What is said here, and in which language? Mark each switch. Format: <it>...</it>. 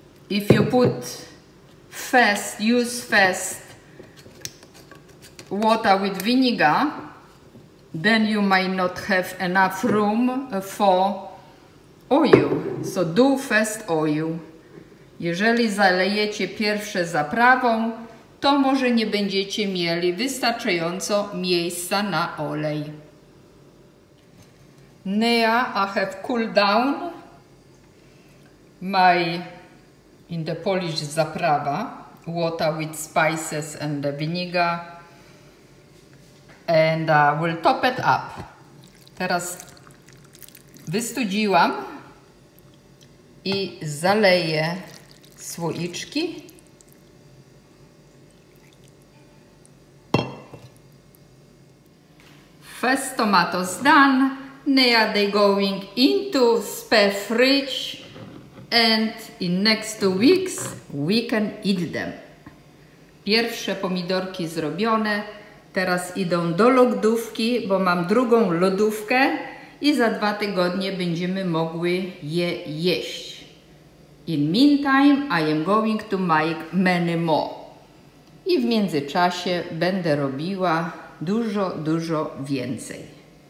<en>If you put first, use first water with vinegar, then you might not have enough room for oil. So do first oil.</en> <pl>Jeżeli zalejecie pierwsze zaprawą, to może nie będziecie mieli wystarczająco miejsca na olej.</pl> <en>Now I have cooled down my, in the Polish, zaprawa, water with spices and the vinegar, and we'll top it up.</en> <pl>Teraz wystudziłam i zaleję słoiczki.</pl> <en>First tomatoes done. Now they going into spare fridge and in next 2 weeks we can eat them.</en> <pl>Pierwsze pomidorki zrobione. Teraz idą do lodówki, bo mam drugą lodówkę i za 2 tygodnie będziemy mogły je jeść.</pl> <en>In meantime, I am going to make many more.</en> <pl>I w międzyczasie będę robiła dużo, dużo więcej.</pl>